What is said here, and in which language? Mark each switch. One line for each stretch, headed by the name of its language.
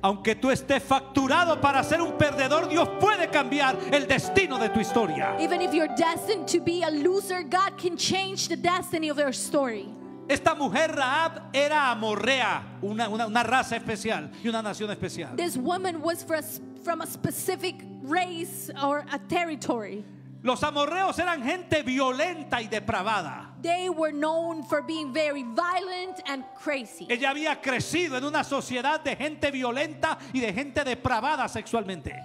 Spanish: Aunque tú estés facturado para ser un perdedor, Dios puede cambiar el destino de tu historia.
English: Even if you're destined to be a loser, God can change the destiny of your story.
Spanish: Esta mujer Rahab era amorrea, una raza especial y una nación especial.
English: This woman was from a specific race or a territory.
Spanish: Los amorreos eran gente violenta y depravada.
English: They were known for being very violent and crazy.
Spanish: Ella había crecido en una sociedad de gente violenta y de gente depravada sexualmente.